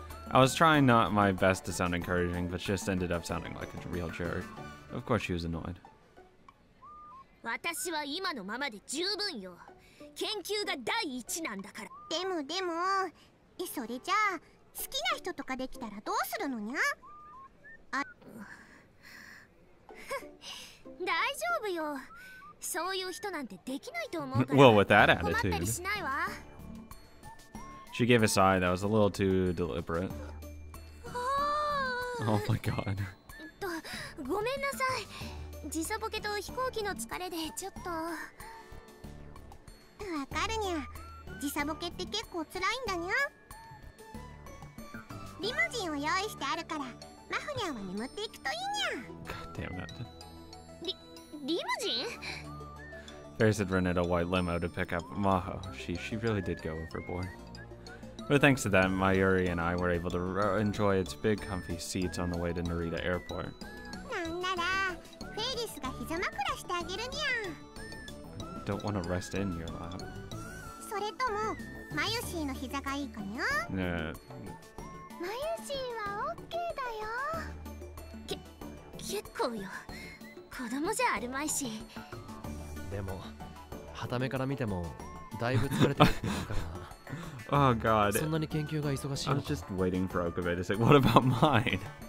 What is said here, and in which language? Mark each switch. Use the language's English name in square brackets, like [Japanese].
[English] I was trying not my best to sound encouraging, but just ended up sounding like a real jerk. Of course she was annoyed. [Japanese] 私は今のままで十分よ。研究が第一なんだから。でもでも、それじゃあ好きな人とかできたらどうするのにゃ？あ。大丈夫よ。そういう人なんてできないと思うから。 [English] Well, with that attitude. [Japanese] 困ったりしないわ。 [English] She gave a sigh that was a little too deliberate. Oh my god. [Japanese] ごめんなさい。時差ボケと飛行機の疲れでちょっと。わかるにゃ。時差ボケって結構辛いんだにゃ。リムジンを用意してあるから、マフニャは眠っていくといいにゃ。 [English] God damn it. [Japanese] リムジン？ [English] Ferris had rented a white limo to pick up Maho. She really did go overboard. But thanks to that, Mayuri and I were able to enjoy its big comfy seats on the way to Narita Airport. [Japanese] なんなら、フェイリスが膝枕してあげるにゃ。 [English] Don't want to rest in your lap. [Japanese] それとも、マユシーの膝がいいかにゃ？マユシーはオッケーだよ。結構よ。子供じゃあるまいし。でも、はためから見ても、だいぶ疲れてるってことかな。 [English] Oh god. [Japanese] そんなに研究が忙しいのか。 [English] I was just waiting for Okabe to say, what about mine?